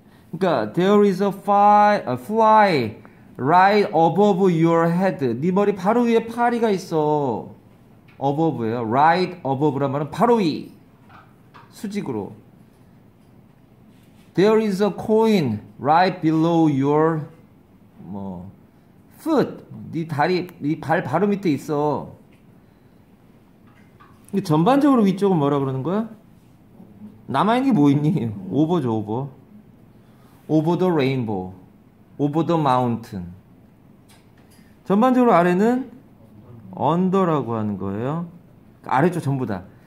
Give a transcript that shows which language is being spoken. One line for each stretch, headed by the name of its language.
Korean: 그러니까
English: there is a fly right above your head.
Korean: 네 머리 바로 위에 파리가 있어. above예요. right above란 말은 바로 위 수직으로.
English: There is a coin right below your 뭐 foot.
Korean: 네 다리, 네 발 바로 밑에 있어. 근데 전반적으로 위쪽은 뭐라 그러는 거야? 남아 있는 게 뭐 있니? over죠, over.
English: over the rainbow. over the mountain.
Korean: 전반적으로 아래는 under라고 하는 거예요. 아래쪽 전부 다.